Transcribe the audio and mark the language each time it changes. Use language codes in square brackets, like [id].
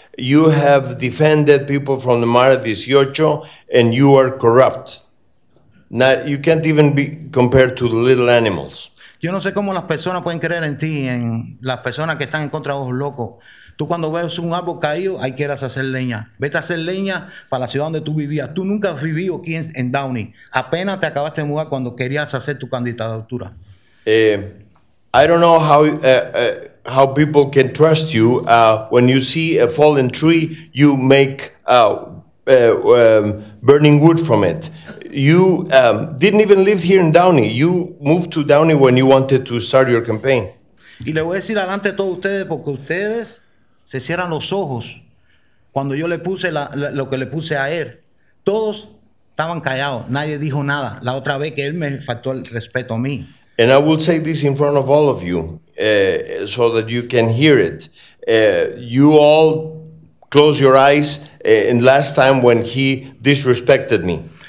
[en] You have defended people from the Mara 18 and you are corrupt. Now, you can't even be compared to the little animals. [es] Yo no sé cómo las personas pueden creer en ti, en las personas que están en contra de ojos locos. Tú cuando ves un árbol caído, ahí quieras hacer leña. Vete a hacer leña para la ciudad donde tú vivías. Tú nunca has vivido aquí en Downey. Apenas te acabaste de mudar cuando querías hacer tu candidatura. [en] I don't know how people can trust you. When you see a fallen tree, you make burning wood from it. You didn't even live here in Downey. You moved to Downey when you wanted to start your campaign. [es] Y le voy a decir adelante a todos ustedes porque ustedes se cierran los ojos cuando yo le puse lo que le puse a él. Todos estaban callados. Nadie dijo nada. La otra vez que él me faltó el respeto a mí. [en] And I will say this in front of all of you so that you can hear it. You all close your eyes in last time when he disrespected me.